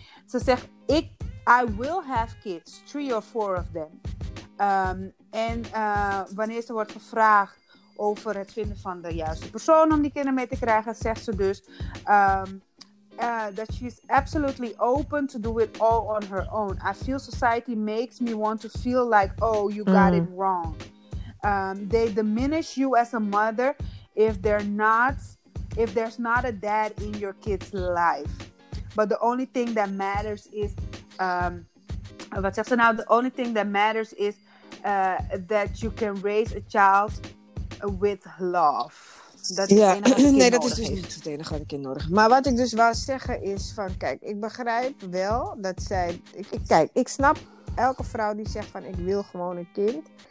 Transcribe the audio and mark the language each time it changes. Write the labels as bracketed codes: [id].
[nl] Ze zegt, [en] I will have kids, 3 or 4 of them. [nl] En wanneer ze wordt gevraagd over het vinden van de juiste persoon om die kinderen mee te krijgen, zegt ze dus [en] that she's absolutely open to do it all on her own. I feel society makes me want to feel like, oh, you got it wrong. They diminish you as a mother if there's not a dad in your kid's life. But the only thing that matters is, [nl] wat zegt ze nou? [en] The only thing that matters is that you can raise a child with love. [nl] Dat is dus niet het enige wat ik in nodig heb. Maar wat ik dus wou zeggen is van, kijk, ik begrijp wel dat zij... Ik snap elke vrouw die zegt van, ik wil gewoon een kind.